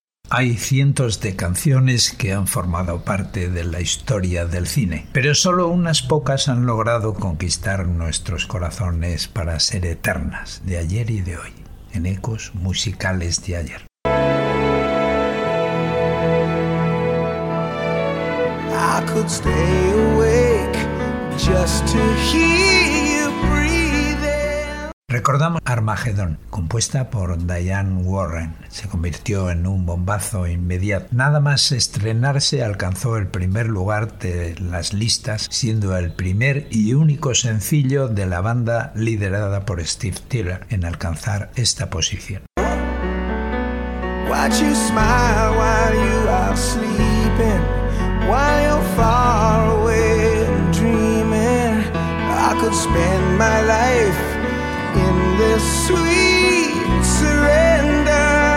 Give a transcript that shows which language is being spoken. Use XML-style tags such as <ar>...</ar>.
<es>Hay cientos de canciones que han formado parte de la historia del cine, pero solo unas pocas han logrado conquistar nuestros corazones para ser eternas, de ayer y de hoy, en ecos musicales de ayer.</es> <en>I could stay awake just to hear you breathing.</en> <es>Recordamos Armageddon, compuesta por Diane Warren. Se convirtió en un bombazo inmediato. Nada más estrenarse alcanzó el primer lugar de las listas, siendo el primer y único sencillo de la banda liderada por Steve Tiller en alcanzar esta posición.</es> <en>Watch you smile while you are sleeping. While you're far away dreaming, I could spend my life in this sweet surrender.</en>